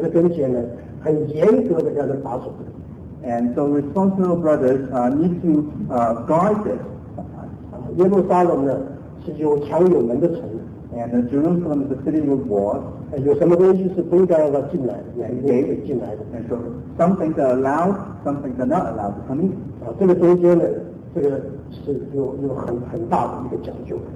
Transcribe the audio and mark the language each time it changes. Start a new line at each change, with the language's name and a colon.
Chinese: 所以教会里面的负责弟兄们呢，必须在神的跟前呢，很严格的让人把守。
English: And so responsible brothers need to guard this.
Chinese: 耶路撒冷呢，是有墙有门的城。
English: And Jerusalem is a city with walls.
Chinese: 有什么东西是不应该让它进来的，也可以进来的。
English: Some things are allowed, some things are not allowed to come in.
Chinese: 这个中间呢，这个是有很大的一个讲究。